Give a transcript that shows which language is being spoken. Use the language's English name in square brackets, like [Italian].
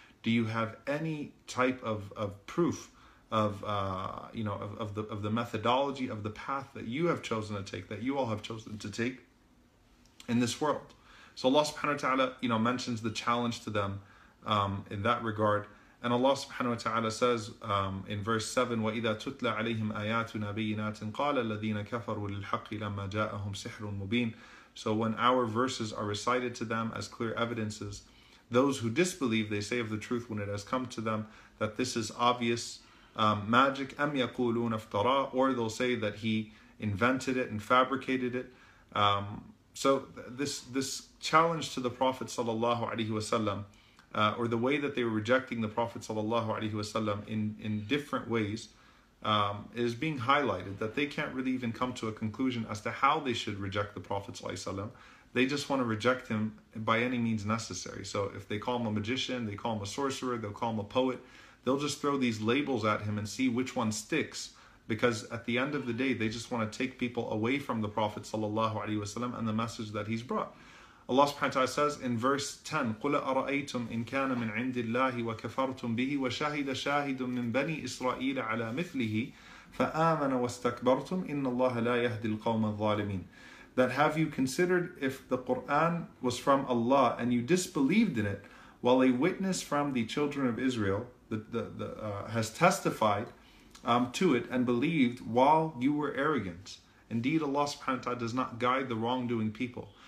[English] Do you have any type of proof of the methodology of the path that you have chosen to take, that you all have chosen to take in this world? So Allah subhanahu wa ta'ala, you know, mentions the challenge to them in that regard. And Allah subhanahu wa ta'ala says in verse 7, [Arabic] وَإِذَا تُتْلَى عَلَيْهِمْ آيَاتُ نَبِيِّنَاتٍ قَالَ الَّذِينَ كَفَرُوا لِلْحَقِّ لَمَّا جَاءَهُمْ سِحْرٌ مُبِينٌ. [English] So when our verses are recited to them as clear evidences, those who disbelieve, they say of the truth when it has come to them that this is obvious magic. [Arabic] أَمْ يَقُولُونَ افْتَرَىٰ, [English] or they'll say that he invented it and fabricated it. So this challenge to the Prophet sallallahu alaihi wasallam, or the way that they were rejecting the Prophet sallallahu alaihi wasallam in different ways, is being highlighted, that they can't really even come to a conclusion as to how they should reject the Prophet sallallahu alaihi wasallam. They just want to reject him by any means necessary. So if they call him a magician, they call him a sorcerer, they'll call him a poet, they'll just throw these labels at him and see which one sticks. Because at the end of the day, they just want to take people away from the Prophet sallallahu alaihi wasallam and the message that he's brought. Allah subhanahu wa ta'ala says in verse 10, [Arabic] قُلَ أَرَأَيْتُمْ إِنْ كَانَ مِنْ عِنْدِ اللَّهِ وَكَفَرْتُمْ بِهِ وَشَهِدَ شَاهِدٌ مِّنْ بَنِي إِسْرَائِيلَ عَلَى مِثْلِهِ فَآمَنَ وَاسْتَكْبَرْتُمْ إِنَّ اللَّهَ لَا يَهْدِي الْقَوْمَ الظَّالِمِينَ. [English] That have you considered if the Qur'an was from Allah and you disbelieved in it, while a witness from the children of Israel has testified to it and believed while you were arrogant. Indeed, Allah subhanahu wa ta'ala does not guide the wrongdoing people.